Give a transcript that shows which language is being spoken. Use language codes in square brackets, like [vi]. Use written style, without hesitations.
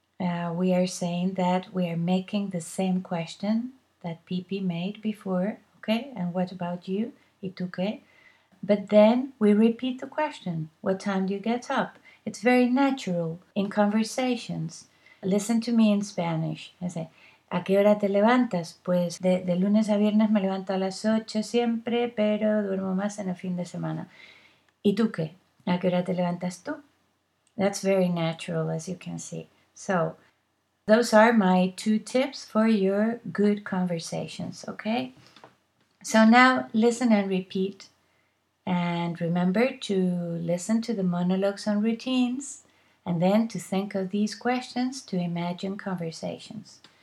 [en] We are saying that we are making the same question that Pipi made before, okay? "And what about you, Ituke?" But then we repeat the question, "What time do you get up?" It's very natural in conversations. Listen to me in Spanish. I say, [es] "¿A qué hora te levantas?" Pues de lunes a viernes me levanto a las 8 siempre, pero duermo más en el fin de semana. ¿Ituke? ¿A qué hora te levantas tú? [en] That's very natural, as you can see. So, those are my two tips for your good conversations, okay? So now, listen and repeat. And remember to listen to the monologues on routines, and then to think of these questions to imagine conversations.